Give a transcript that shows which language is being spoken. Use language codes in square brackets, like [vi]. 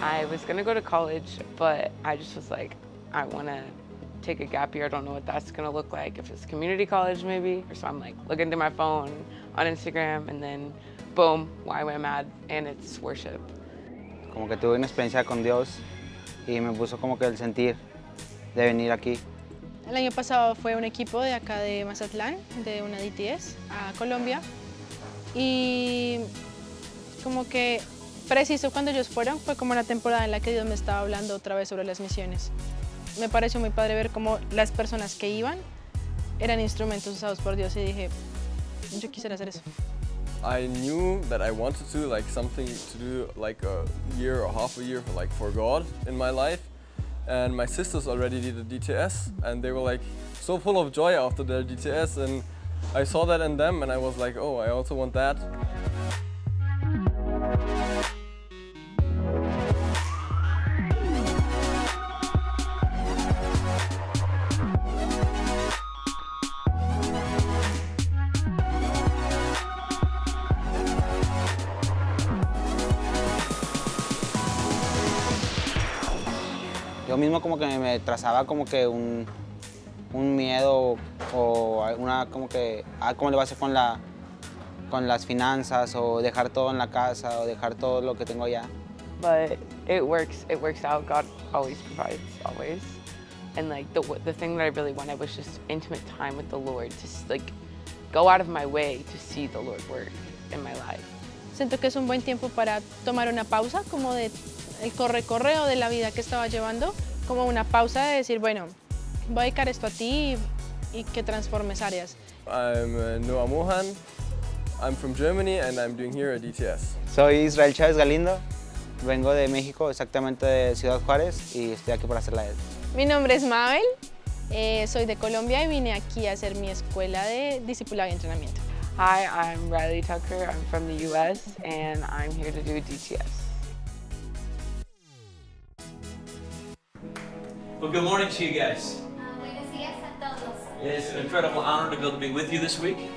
[en] was going to go to college, but I just was like, I want to take a gap year. I don't know what that's going to look like, if it's community college maybe. So I'm like looking through my phone on Instagram, and then boom, YWAM ad, and it's worship. [es] Como que tuve una experiencia con Dios y me puso como que el sentir de venir aquí. El año pasado fue un equipo de acá de Mazatlán, de una DTS, a Colombia. Y como que preciso cuando ellos fueron, fue como la temporada en la que Dios me estaba hablando otra vez sobre las misiones. Me pareció muy padre ver cómo las personas que iban eran instrumentos usados por Dios y dije, yo quisiera hacer eso. [en] I knew that I wanted to like something to do like a year or half a year for, like for God in my life, and my sisters already did a DTS and they were like so full of joy after their DTS, and I saw that in them and I was like, oh, I also want that. [es] Yo mismo como que me trazaba como que un miedo o una como que, ¿cómo le va a hacer con las finanzas o dejar todo en la casa o dejar todo lo que tengo allá? [en] But it works out. God always provides, always. And like the thing that I really wanted was just intimate time with the Lord, just like go out of my way to see the Lord work in my life. [es] Siento que es un buen tiempo para tomar una pausa como de el correo de la vida que estaba llevando, como una pausa de decir, bueno, voy a dedicar esto a ti y que transformes áreas. [en] I'm Noah Mohan. I'm from Germany and I'm doing here a DTS. [es] Soy Israel Chávez Galindo. Vengo de México, exactamente de Ciudad Juárez, y estoy aquí para hacer la ED. Mi nombre es Mabel. Soy de Colombia y vine aquí a hacer mi escuela de discipulado y entrenamiento. [en] Hi, I'm Riley Tucker. I'm from the US and I'm here to do a DTS. Well, good morning to you guys. [es] Buenos días a todos. [en] It's an incredible honor to be able to be with you this week.